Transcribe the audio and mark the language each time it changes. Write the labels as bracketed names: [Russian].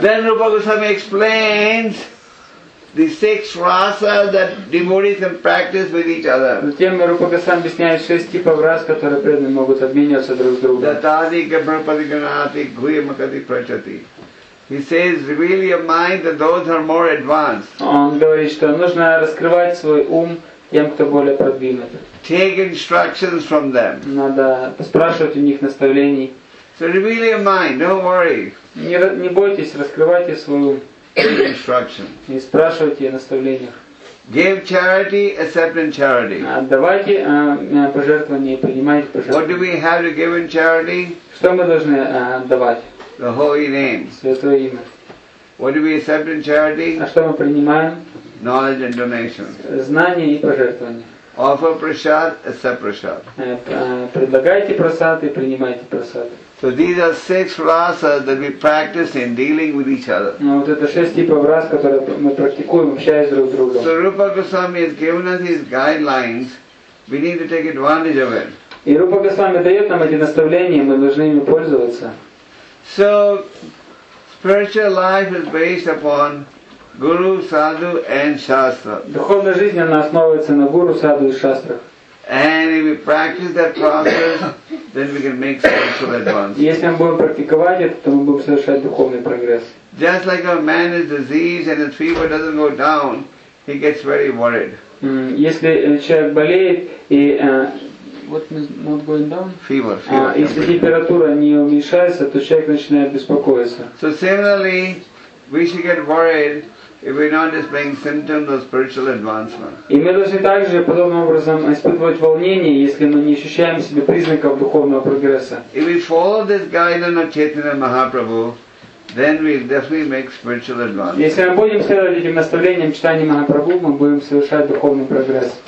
[English] Then Rupa Goswami explains the six rasas that devotees can practice with each other. [Russian] Затем Рупа Госвами объясняет шесть типов рас, которые преданные могут обмениваться друг с другом. [Sanskrit] Датади, Гапрапади, Ганати, Гуя, Макати, Прачати. [English] He says, reveal your mind that those are more advanced. [Russian] Он говорит, что нужно раскрывать свой ум тем, кто более продвинут. [English] Take instructions from them. [Russian] Надо спрашивать у них наставлений. [English] So reveal your mind, don't worry. [Russian] Не бойтесь, раскрывайте свой ум. [English] Instruction. [Russian] И спрашивайте о наставлениях. [English] Give charity, accept in charity. [Russian] Отдавайте пожертвования и принимайте пожертвования. [English] What do we have to give in charity? [Russian] Что мы должны отдавать? [English] The holy name. [Russian] Святое имя. [English] What do we accept in charity? [Russian] А что мы принимаем? [English] Knowledge and donations. [Russian] Знания и пожертвования. [English] Offer prasad, accept prasad. [Russian] Предлагайте прасад и принимайте прасад. [English] So these are six rasas that we practice in dealing with each other. [Russian] Ну вот это шесть типов рас, которые мы практикуем, общаясь друг с другом. [English] So Rupa Goswami has given us these guidelines. We need to take advantage of it. [Russian] И Рупа Госвами дает нам эти наставления, мы должны ими пользоваться. [English] So spiritual life is based upon Guru, Sadhu and Shastra. [Russian] Духовная жизнь, она основывается на Гуру, Садху и Шастрах. [English] And if we practice that process, then we can make spiritual advances. [Russian] Если мы будем практиковать это, то мы будем совершать духовный прогресс. [English] Just like a man is diseased and his fever doesn't go down, he gets very worried. [Russian] Если человек болеет и... [English] What means not going down? Fever. [Russian] Если температура не уменьшается, то человек начинает беспокоиться. [English] So similarly, we should get worried if we're not displaying symptoms of spiritual advancement. [Russian] И мы должны также подобным образом испытывать волнение, если мы не ощущаем в себе признаков духовного прогресса. [English] If we follow this guideline of Chaitanya Mahaprabhu, then we definitely make spiritual advancement. [Russian] Если мы будем следовать этим наставлениям читания Махапрабху, мы будем совершать духовный прогресс.